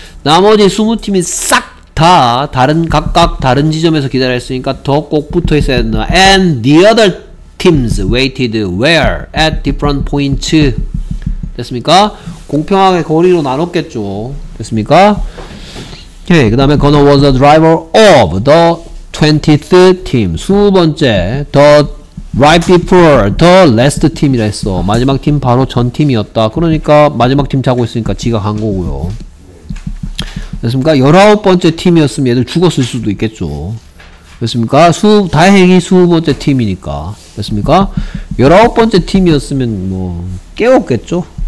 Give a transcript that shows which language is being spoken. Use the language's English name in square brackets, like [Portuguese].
[Korean] 나머지 20팀이 싹 다 다른 각각 다른 지점에서 기다렸으니까 더 꼭 붙어 있어야 된다. [English] And the other teams waited where? At different points. [Korean] 됐습니까? 공평하게 거리로 나눴겠죠. 됐습니까? 오케이. [English] Okay, [Korean] 그 다음에 [English] Gunner was the driver of the 20th team. [Korean] 20번째 [English] the right before the last team [Korean] 이라 했어. 마지막 팀 바로 전 팀이었다. 그러니까 마지막 팀 자고 있으니까 지가 간 거고요. 됐습니까? 19번째 팀이었으면 얘들 죽었을 수도 있겠죠. 됐습니까? 다행히 20번째 팀이니까. 됐습니까? 19번째 팀이었으면 뭐 깨웠겠죠?